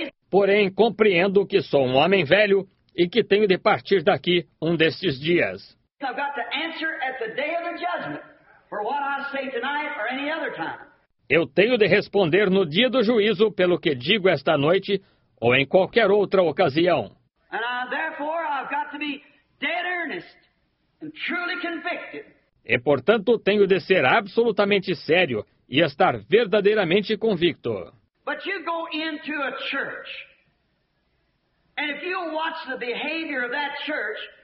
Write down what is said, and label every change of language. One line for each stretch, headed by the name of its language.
Portuguese: Porém, compreendo que sou um homem velho e que tenho de partir daqui um destes dias.
English: I've got to answer at the day of the judgment for what I say tonight or any other time.
Portuguese: Eu tenho de responder no dia do juízo pelo que digo esta noite ou em qualquer outra ocasião.
English: And therefore I've got to be dead earnest and truly convicted.
Portuguese: E portanto tenho de ser absolutamente sério e estar verdadeiramente convicto.
English: But you go into a church, and if you watch the behavior of that church.